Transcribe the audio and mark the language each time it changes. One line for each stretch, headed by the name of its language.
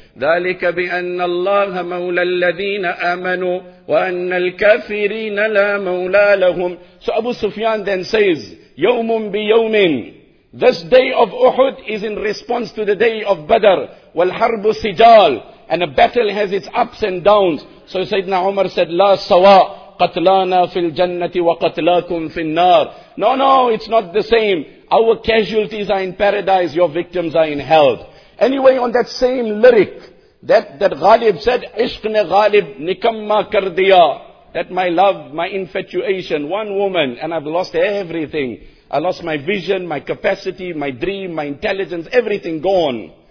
Arabic: ذَلِكَ بِأَنَّ اللَّهَ مَوْلَى الَّذِينَ آمَنُوا وَأَنَّ الْكَافِرِينَ لَا مَوْلَى لَهُمْ.
English: So Abu Sufyan then says,
Arabic: يَوْمٌ بِيَوْمٍ.
English: This day of Uhud is in response to the day of Badr.
Arabic: وَالْحَرْبُ سِجَالٌ.
English: And a battle has its ups and downs. So Sayyidina Umar said,
Arabic: لَا سَوَا قَتْلَانَا فِي الْجَنَّةِ وَقَتْلَاكُمْ فِي النَّارِ.
English: No, it's not the same. Our casualties are in paradise, your victims are in hell. Anyway, on that same lyric, that Ghalib said,
Urdu: عِشْقْنِ غَالِبْ نِكَمَّا كَرْدِيَا.
English: That my love, my infatuation, one woman, and I've lost everything. I lost my vision, my capacity, my dream, my intelligence, everything gone.